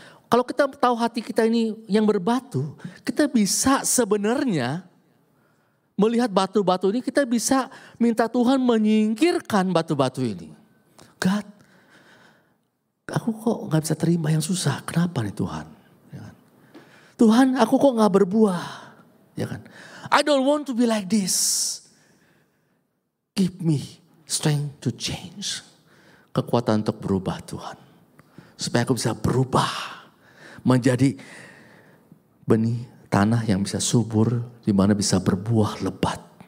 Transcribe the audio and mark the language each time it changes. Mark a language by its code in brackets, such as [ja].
[id] Kalau kita tahu hati kita ini yang berbatu, kita bisa sebenarnya melihat batu-batu ini, kita bisa minta Tuhan menyingkirkan batu-batu ini. God, aku kok gak bisa terima yang susah. Kenapa nih Tuhan? Ya kan? Tuhan, aku kok gak berbuah. Ya kan? [en] I don't want to be like this. Give me strength to change. [id] Kekuatan untuk berubah Tuhan. Supaya aku bisa berubah. Menjadi benih tanah yang bisa subur. Di mana bisa berbuah lebat.